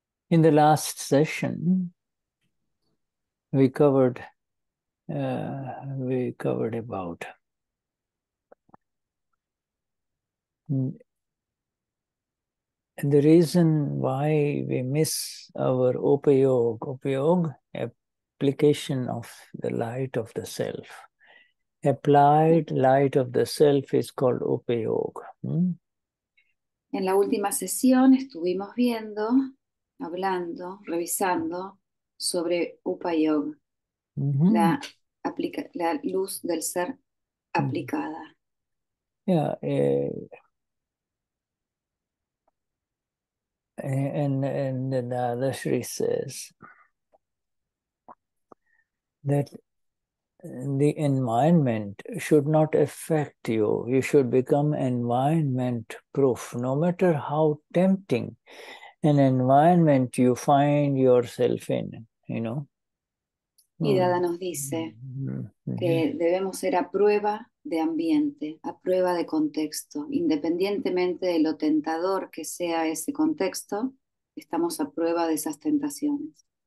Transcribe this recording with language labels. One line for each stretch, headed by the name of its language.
English: In the last session, we covered about the reason why we miss our upayoga, application of the light of the self. Applied light of the self is called upayoga.
Spanish: En la última sesión estuvimos viendo, hablando, revisando sobre upayoga, la luz del ser aplicada.
English: And Shri says that the environment should not affect you. You should become environment proof. No matter how tempting an environment you find yourself in, you know.
Spanish: Y Dada nos dice que debemos ser a prueba de ambiente, a prueba de contexto. Independientemente de lo tentador que sea ese contexto, estamos a prueba de esas tentaciones.